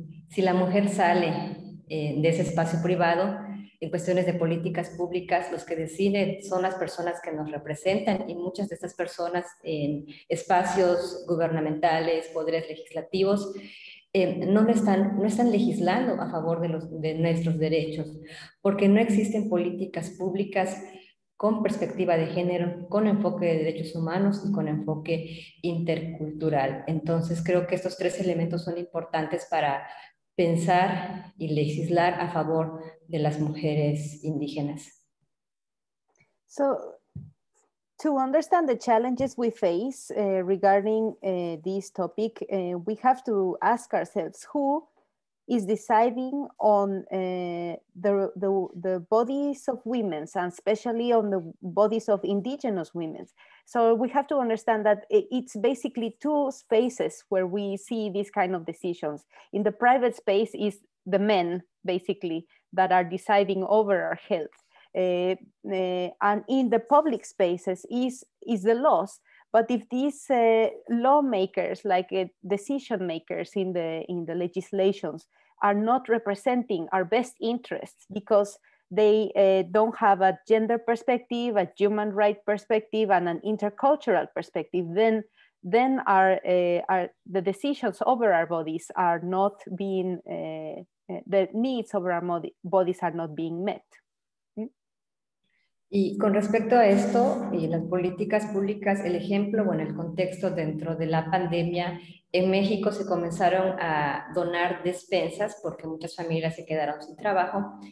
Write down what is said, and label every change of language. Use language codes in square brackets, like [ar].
[es] Si la mujer sale de ese espacio privado, en cuestiones de políticas públicas, los que deciden son las personas que nos representan, y muchas de estas personas en espacios gubernamentales, poderes legislativos, no están legislando a favor de nuestros derechos, porque no existen políticas públicas con perspectiva de género, con enfoque de derechos humanos y con enfoque intercultural. Entonces, creo que estos tres elementos son importantes para pensar y legislar a favor de las mujeres indígenas. [en] So, to understand the challenges we face regarding this topic, we have to ask ourselves who is deciding on the bodies of women, and especially on the bodies of indigenous women. So we have to understand that it's basically two spaces where we see these kind of decisions. In the private space is the men, basically, that are deciding over our health. And in the public spaces is the laws. But if these lawmakers, like decision makers in the legislations, are not representing our best interests, because they don't have a gender perspective, a human right perspective, and an intercultural perspective, then our the decisions over our bodies are not being, the needs over our bodies are not being met. [es] Y con respecto a esto y las políticas públicas, el ejemplo, bueno, el contexto dentro de la pandemia, en México se comenzaron a donar despensas porque muchas familias se quedaron sin trabajo.